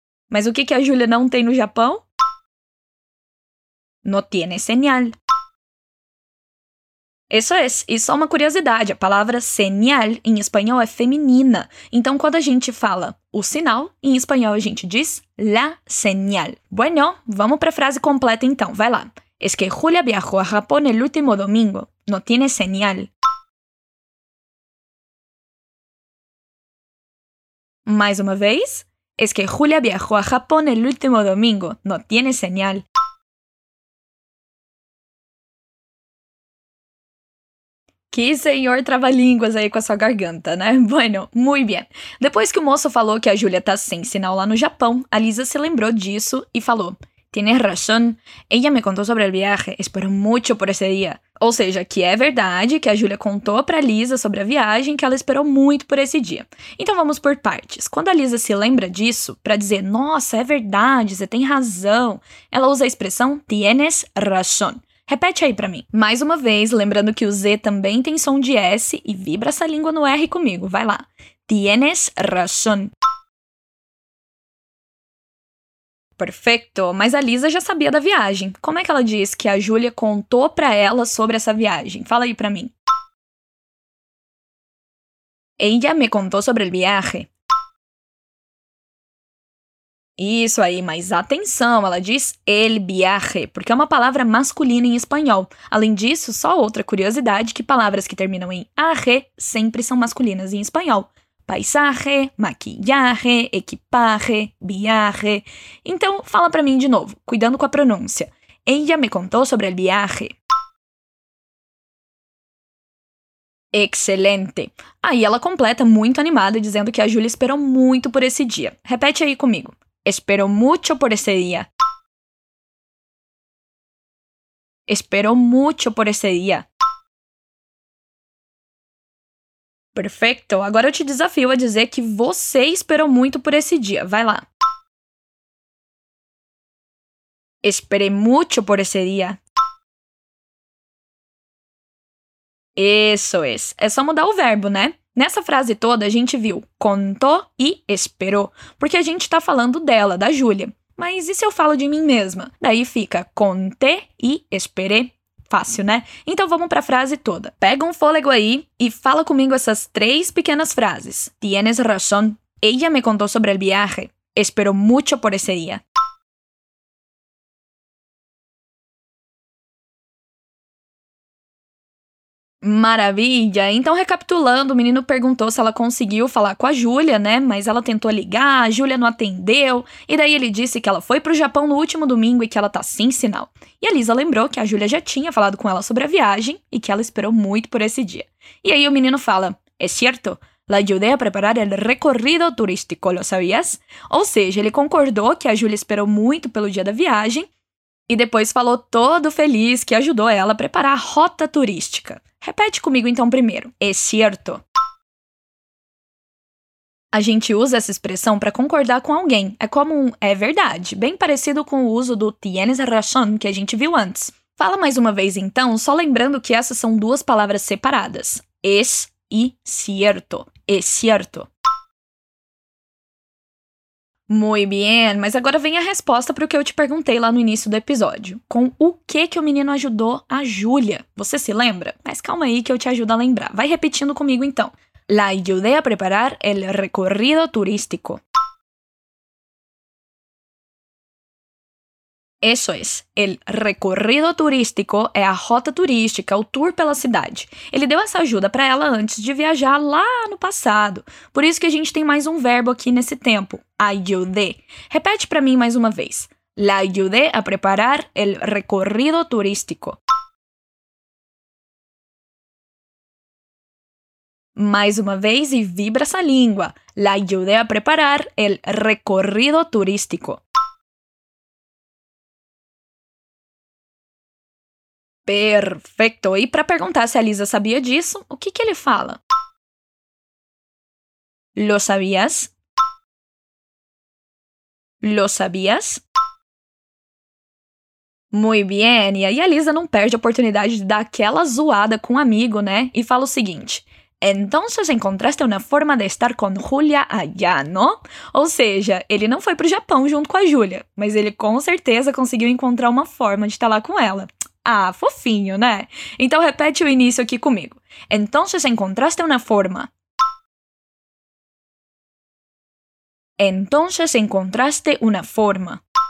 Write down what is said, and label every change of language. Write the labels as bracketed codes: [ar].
[pt] Mas o que a Júlia não tem no Japão? [es] No tiene señal. [pt] Isso é. E só uma curiosidade, a palavra señal em espanhol é feminina. Então, quando a gente fala o sinal, em espanhol a gente diz [es] la señal. [pt] Bueno, vamos para a frase completa então, vai lá. [es] Es que Julia viajó a Japón el último domingo. No tiene señal. [pt] Mais uma vez. [es] Es que Julia viajó a Japón el último domingo. No tiene señal. [pt] Que senhor trava-línguas aí com a sua garganta, né? [es] Bueno, muy bien. [pt] Depois que o moço falou que a Júlia tá sem sinal lá no Japão, a Lisa se lembrou disso e falou: [es] Tienes razón. Ella me contó sobre el viaje. Espero mucho por ese día. [pt] Ou seja, que é verdade que a Júlia contou pra Lisa sobre a viagem, que ela esperou muito por esse dia. Então vamos por partes. Quando a Lisa se lembra disso, pra dizer, nossa, é verdade, você tem razão, ela usa a expressão [es] tienes razón. [pt] Repete aí pra mim. Mais uma vez, lembrando que o Z também tem som de S e vibra essa língua no R comigo. Vai lá. [es] Tienes razón. [pt] Perfeito. Mas a Lisa já sabia da viagem. Como é que ela diz que a Júlia contou pra ela sobre essa viagem? Fala aí pra mim. [es] Ella me contó sobre el viaje. [pt] Isso aí, mas atenção, ela diz el viaje, porque é uma palavra masculina em espanhol. Além disso, só outra curiosidade, que palavras que terminam em aje sempre são masculinas em espanhol. [es] Paisaje, maquillaje, equipaje, viaje. [pt] Então, fala pra mim de novo, cuidando com a pronúncia. [es] Ella me contou sobre el viaje. [pt] Excelente! Aí ela completa muito animada, dizendo que a Júlia esperou muito por esse dia. Repete aí comigo. [es] Espero mucho por ese día. Espero mucho por ese día. [pt] Perfeito. Agora eu te desafio a dizer que você esperou muito por esse dia. Vai lá. [es] Esperei mucho por ese día. Eso es. [pt] É só mudar o verbo, né? Nessa frase toda, a gente viu contou e esperou, porque a gente tá falando dela, da Júlia. Mas e se eu falo de mim mesma? Daí fica conté e esperé. Fácil, né? Então vamos pra frase toda. Pega um fôlego aí e fala comigo essas três pequenas frases. [es] Tienes razón. Ella me contó sobre el viaje. Esperó mucho por ese día. [pt] Maravilha! Então, recapitulando, o menino perguntou se ela conseguiu falar com a Júlia, né? Mas ela tentou ligar, a Júlia não atendeu. E daí ele disse que ela foi pro Japão no último domingo e que ela tá sem sinal. E a Lisa lembrou que a Júlia já tinha falado com ela sobre a viagem e que ela esperou muito por esse dia. E aí o menino fala, é certo? [es] La ayudé a preparar el recorrido turístico, ¿lo sabías? [pt] Ou seja, ele concordou que a Júlia esperou muito pelo dia da viagem e depois falou todo feliz que ajudou ela a preparar a rota turística. Repete comigo então primeiro. É certo. A gente usa essa expressão para concordar com alguém. É como um é verdade, bem parecido com o uso do [es] tienes razón [pt] que a gente viu antes. Fala mais uma vez então, só lembrando que essas são duas palavras separadas. [es] Es e cierto. [pt] É certo. [es] Muy bien, [pt] mas agora vem a resposta para o que eu te perguntei lá no início do episódio. Com o que o menino ajudou a Júlia? Você se lembra? Mas calma aí que eu te ajudo a lembrar. Vai repetindo comigo então. [es] La ayudé a preparar el recorrido turístico. Eso es. El recorrido turístico [pt] é a rota turística, o tour pela cidade. Ele deu essa ajuda para ela antes de viajar lá no passado. Por isso que a gente tem mais um verbo aqui nesse tempo. Ayudé. Repete para mim mais uma vez. [es] La ayudé a preparar el recorrido turístico. [pt] Mais uma vez e vibra essa língua. [es] La ayudé a preparar el recorrido turístico. [pt] Perfeito! E para perguntar se a Lisa sabia disso, o que ele fala? [es] Lo sabias? Lo sabias? Muy bien! [pt] E aí a Lisa não perde a oportunidade de dar aquela zoada com um amigo, né? E fala o seguinte. [es] Entonces encontraste una forma de estar con Julia allá, ¿no? [pt] Ou seja, ele não foi pro Japão junto com a Julia, mas ele com certeza conseguiu encontrar uma forma de estar lá com ela. Ah, fofinho, né? Então repete o início aqui comigo. [es] Entonces encontraste una forma. Entonces encontraste una forma.